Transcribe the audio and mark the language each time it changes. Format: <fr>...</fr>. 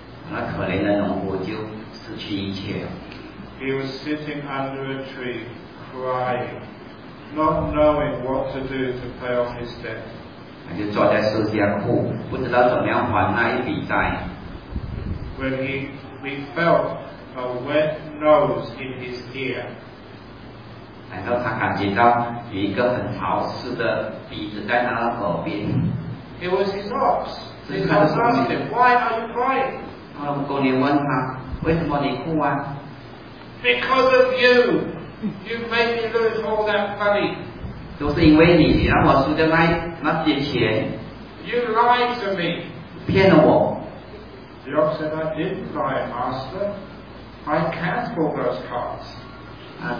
<zh>那可怜的农夫就失去一切了。</zh> <en>He was sitting under a tree, crying, not knowing what to do to pay off his debt.</en> <zh>他就坐在树下哭，不知道怎么样还那一笔债。</zh> <en>When he felt a wet nose in his ear.</en> <zh>然后他感觉到有一个很潮湿的鼻子在他的耳边。</zh> <en>It was his ox. His ox asked him, "Why are you crying?"</en> <zh>公牛问他，为什么你哭啊？</zh> <en>Because of you. You made me lose all that money.</en> <zh>都是因为你让我输掉那些钱。</zh> <en>You lied to me.</en> <zh>骗了我。</zh> <en>The ox said, "I didn't lie, master. I can't pull those carts."</en>